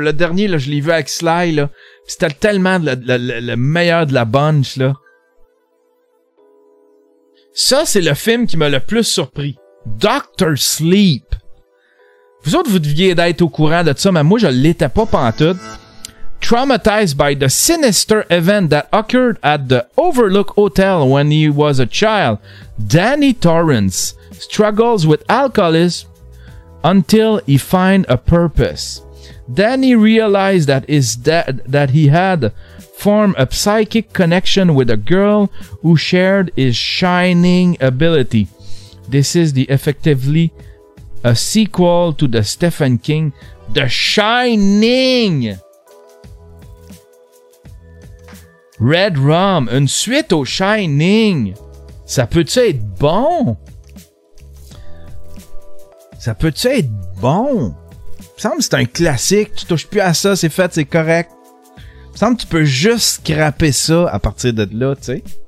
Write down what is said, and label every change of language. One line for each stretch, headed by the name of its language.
French: Le dernier, là, je l'ai vu avec Sly, là, pis c'était tellement le meilleur de la bunch, là. Ça, c'est le film qui m'a le plus surpris. Doctor Sleep. Vous autres, vous deviez être au courant de ça, mais moi, je l'étais pas pantoute.
English: Traumatized by the sinister event that occurred at the Overlook Hotel when he was a child, Danny Torrance struggles with alcoholism until he finds a purpose. Danny realized that he had formed a psychic connection with a girl who shared his shining ability. This is effectively a sequel to the Stephen King, The Shining.
French: Red Rum, une suite au Shining. Ça peut-tu être bon? Ça peut-tu être bon? Il me semble que c'est un classique. Tu touches plus à ça, c'est fait, c'est correct. Il me semble que tu peux juste scraper ça à partir de là, tu sais.